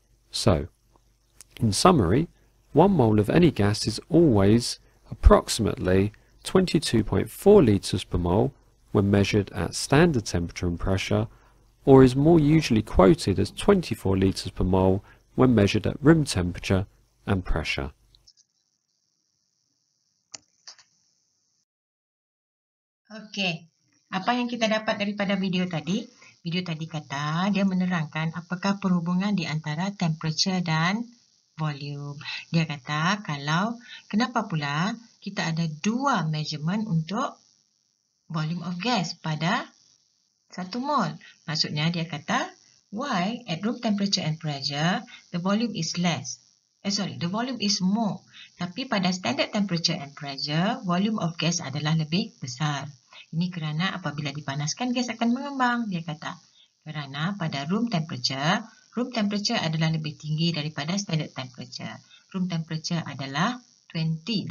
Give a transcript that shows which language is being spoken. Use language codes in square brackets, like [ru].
[en] So, in summary, one mole of any gas is always approximately 22.4 liters per mole when measured at standard temperature and pressure, or is more usually quoted as 24 litres per mole when measured at room temperature and pressure. [ms] Okay, apa yang kita dapat daripada video tadi? Video tadi kata dia menerangkan apakah perhubungan di antara temperature dan volume. Dia kata kalau kenapa pula kita ada dua measurement untuk [en] volume of gas [ms] pada satu mol. Maksudnya dia kata [en] why at room temperature and pressure the volume is less. The volume is more. [ms] Tapi pada [en] standard temperature and pressure volume of gas [ms] adalah lebih besar. Ini kerana apabila dipanaskan gas akan mengembang, dia kata. Kerana pada room temperature adalah lebih tinggi daripada standard temperature. Room temperature adalah 20.